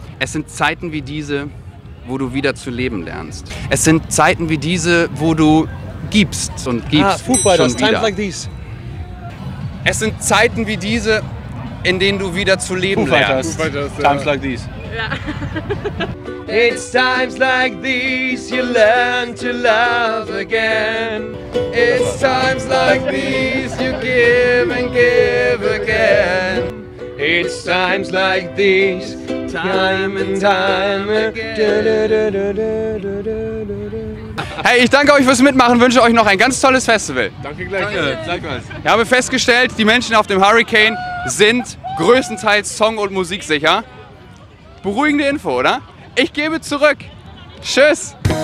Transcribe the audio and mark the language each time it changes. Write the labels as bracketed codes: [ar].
[de] Es sind Zeiten wie diese, wo du wieder zu leben lernst. Es sind Zeiten wie diese, wo du gibst und gibst [en] Foo Fighters, times like these. [de] Es sind Zeiten wie diese, in denen du wieder zu leben lernst. [en] Times like these. [de] Ja. [en] It's times like these you learn to love again. It's times like these you give and give again. It's times like these time and time again. [de] Hey, ich danke euch fürs Mitmachen, wünsche euch noch ein ganz tolles Festival. Danke gleichfalls. Ich habe festgestellt, die Menschen auf dem Hurricane sind größtenteils song- und musiksicher. Beruhigende Info, oder? Ich gebe zurück. Tschüss.